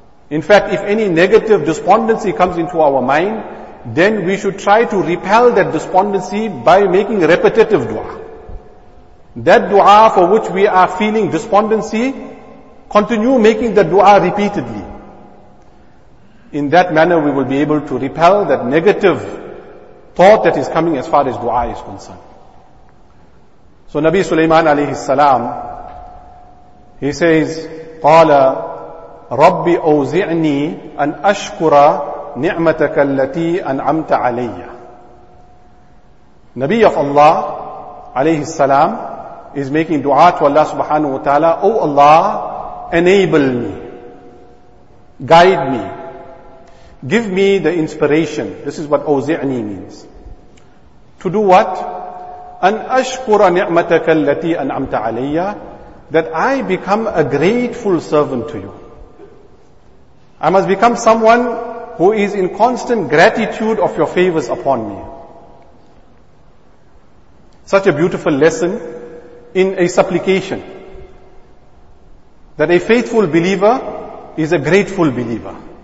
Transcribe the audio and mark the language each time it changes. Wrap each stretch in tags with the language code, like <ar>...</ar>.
<en>In fact, if any negative despondency comes into our mind, then we should try to repel that despondency by making repetitive dua. That dua for which we are feeling despondency, continue making the dua repeatedly. In that manner, we will be able to repel that negative thought that is coming as far as dua is concerned. So Nabi Sulaiman alayhi salam, he says,</en> <ar>قَالَ رَبِّ أَوْزِعْنِي أَنْ أَشْكُرَ نِعْمَتَكَ الَّتِي أَنْعَمْتَ عَلَيَّ.</ar> <en>Nabi of Allah alayhi salam is making dua to Allah subhanahu wa ta'ala, O Allah, enable me, guide me, give me the inspiration. This is what أَوْزِعْنِي means. To do what?</en> <ar>أَنْ أَشْكُرَ نِعْمَتَكَ الَّتِي أَنْعَمْتَ عَلَيَّ.</ar> <en>That I become a grateful servant to you. I must become someone who is in constant gratitude of your favors upon me. Such a beautiful lesson in a supplication. That a faithful believer is a grateful believer.</en>